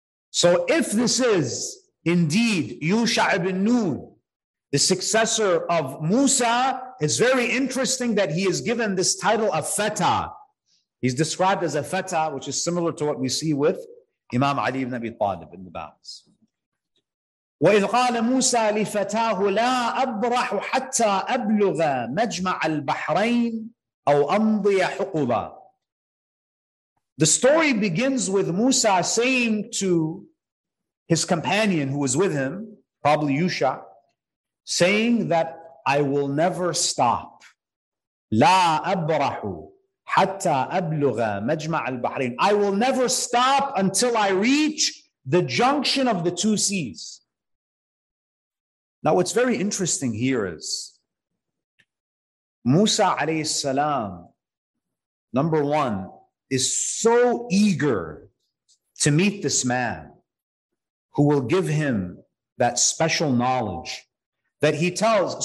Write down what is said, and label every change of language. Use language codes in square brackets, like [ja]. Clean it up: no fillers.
[en] So if this is indeed Yusha ibn Nun, the successor of Musa, it's very interesting that he is given this title of fata. He's described as a fata, which is similar to what we see with Imam Ali ibn Abi Talib in the battles. [ar] وَإِذْ قَالَ مُوسَى لِفَتَاهُ لَا أَبْرَحُ حَتَّى أَبْلُغَ مَجْمَعَ الْبَحْرَيْنِ أَوْ أَمْضِيَ حُقُبًا. [en] The story begins with Musa saying to his companion who was with him, probably Yusha, saying that I will never stop. [ar] لَا أَبْرَحُ حَتَّى أَبْلُغَ مَجْمَعَ الْبَحْرَيْنِ. [en] I will never stop until I reach the junction of the two seas. Now, what's very interesting here is Musa alayhi salam, number one, is so eager to meet this man who will give him that special knowledge that he tells.